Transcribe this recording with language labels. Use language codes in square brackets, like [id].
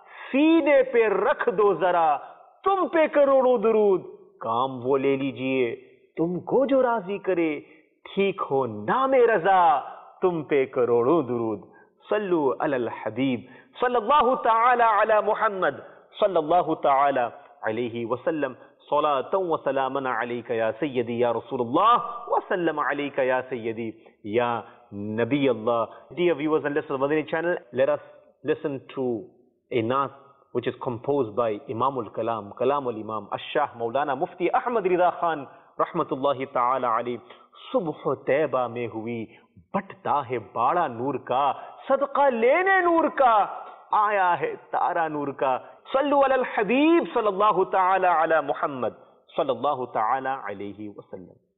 [ur] سینے پہ رکھ دو ذرا تم پہ کروڑوں درود کام وہ لے لیجئے تم کو جو راضی کرے ٹھیک ہو نام رضا تم پہ کروڑوں درود [ar] صلو علی الحبیب صل اللہ تعالی علی محمد صل اللہ تعالی علیہ وسلم صلاة وسلاما عليك يا سيدي يا رسول الله وسلم عليك يا سيدي يا نبي الله. [en] Dear viewers and listeners of Madini channel, let us listen to a naat which is composed by Imam al-Kalam, Kalam al-Imam, Ash-Shah Mawlana Mufti Ahmad Ridha Khan, Rahmatullahi Ta'ala Ali. [ur] صبح طیبہ میں ہوئی بٹتا ہے باڑا نور کا صدقہ لینے نور کا آیا ہے تارا نور کا [ar] صلو علی الحبیب صلی اللہ تعالی علی محمد صلی اللہ تعالی علیہ وسلم.